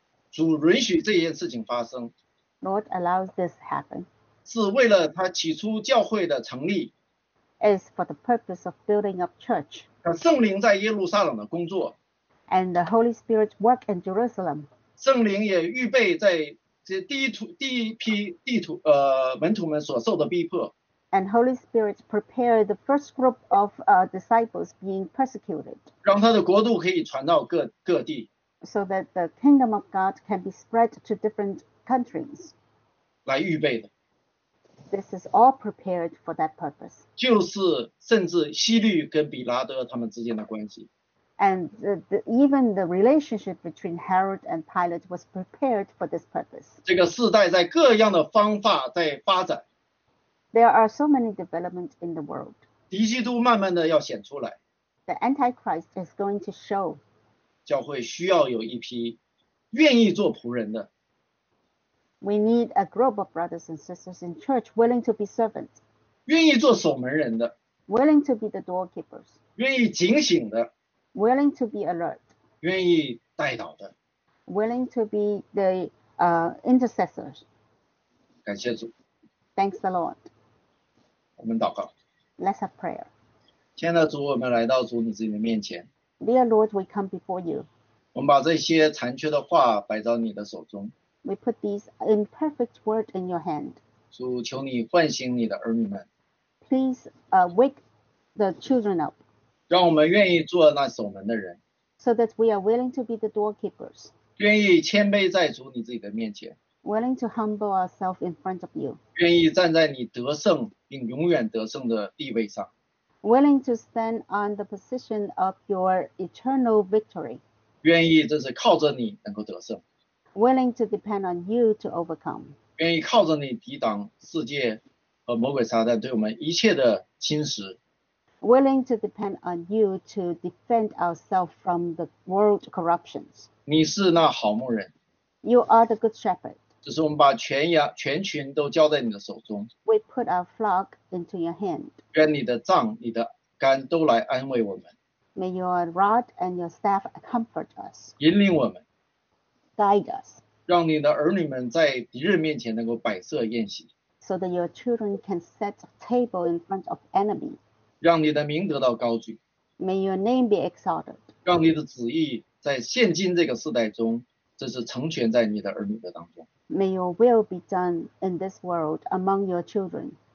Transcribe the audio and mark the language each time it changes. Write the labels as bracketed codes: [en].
[zh] 主允许这件事情发生。 [en] Lord allows this happen. [zh] 是为了他起初教会的成立。 [en] Is for the purpose of building up church. [zh] 圣灵在耶路撒冷的工作。 [en] And the Holy Spirit work in Jerusalem. [zh] 圣灵也预备在这第一批门徒们所受的逼迫。 [en] And Holy Spirit prepared the first group of disciples being persecuted. [zh] 让他的国度可以传到各地。 [en] So that the kingdom of God can be spread to different countries. [zh] 来预备的。 [en] This is all prepared for that purpose. [zh] 就是甚至希律跟比拉德他们之间的关系。 [en] And even the relationship between Herod and Pilate was prepared for this purpose. [zh] 这个世代在各样的方法在发展。 [en] There are so many developments in the world. [zh] 敌基督慢慢的要显出来。 [en] The Antichrist is going to show. [zh] 教会需要有一批愿意做仆人的。 [en] We need a group of brothers and sisters in church willing to be servants, [zh] 愿意做守门人的， [en] willing to be the doorkeepers, [zh] 愿意警醒的， [en] willing to be alert, [zh] 愿意代祷的。 [en] willing to be the intercessors. [zh] 感谢主。 [en] Thanks the Lord. [zh] 我们祷告。 [en] Let's have prayer. [zh] 亲爱的主，我们来到主你自己的面前。 [en] Dear Lord, we come before you. [zh] 我们把这些残缺的话摆到你的手中。 [en] We put these imperfect words in your hand. [zh] 主，求你唤醒你的儿女们。 [en] Please wake the children up. [zh] 让我们愿意做那守门的人。 [en] So that we are willing to be the doorkeepers. [zh] 愿意谦卑在主你自己的面前。 [en] Willing to humble ourselves in front of you. [zh] 愿意站在你得胜并永远得胜的地位上。 [en] Willing to stand on the position of your eternal victory. [zh] 愿意这是靠着你能够得胜。 [en] Willing to depend on you to overcome. [zh] 愿意靠着你抵挡世界和魔鬼撒旦对我们一切的侵蚀。 [en] Willing to depend on you to defend ourselves from the world corruptions. [zh] 你是那好牧人。 [en] You are the good shepherd. [zh] 只是我们把全羊全群都交在你的手中。 [en] We put our flock into your hand. [zh] 愿你的杖、你的竿都来安慰我们。 [en] May your rod and your staff comfort us. [zh] 引领我们。 [en] Guide us. [zh] 让你的儿女们在敌人面前能够摆设宴席。 [en] So that your children can set a table in front of enemy. [zh] 让你的名得到高举。 [en] May your name be exalted. [zh] 让你的旨意在现今这个世代中，这是成全在你的儿女的当中。 [en] May your will be done in this world among your children.